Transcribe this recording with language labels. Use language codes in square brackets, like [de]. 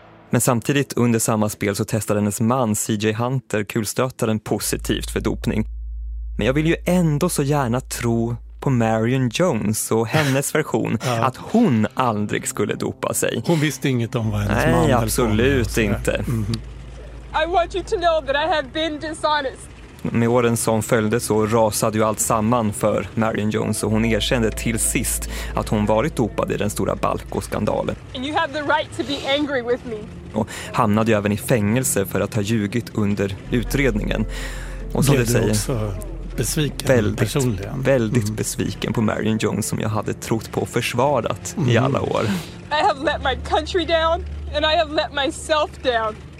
[sv] Men samtidigt under samma spel så testade hennes man CJ Hunter kulstötaren positivt för dopning. Men jag vill ju ändå så gärna tro på Marion Jones och hennes version, ja, att hon aldrig skulle dopa sig. Hon visste inget om vad hennes man höll på med. Nej, absolut inte. [en] I want you to know that I have been dishonest. [sv] Med åren som följde så rasade ju allt samman för Marion Jones och hon erkände till sist att hon varit dopad i den stora Balco-skandalen. [en] And you have the right to be angry with me. [sv] Och hamnade ju även i fängelse för att ha ljugit under utredningen. Och som det säger, också besviken väldigt, personligen. Väldigt besviken på Marion Jones som jag hade trott på och försvarat i alla år. [en] I have let my country down and I have let myself down.